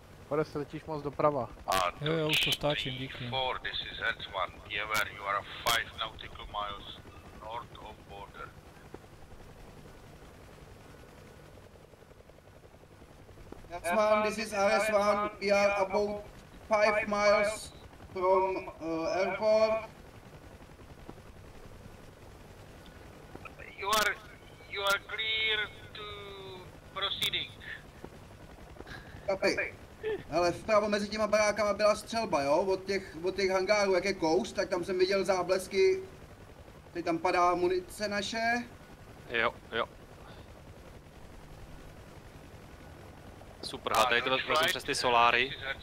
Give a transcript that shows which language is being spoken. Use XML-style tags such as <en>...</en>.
<cs>Ale se letíš moc doprava. Jo, už to stáčím, díky.</cs> <en>4, this is Hertzman. Jever, you are 5 nautical miles north of border. Hertzman, this is RS1. We are about 5 miles from airport. You are clear to proceeding. Kapi.</en> <cs>Ale vpravo mezi těma barákama byla střelba, jo? Od těch hangárů, jak je kous, tak tam jsem viděl záblesky. Teď tam padá munice naše. Jo, jo. Super, a tady to vás prosím přes ty soláry.</cs>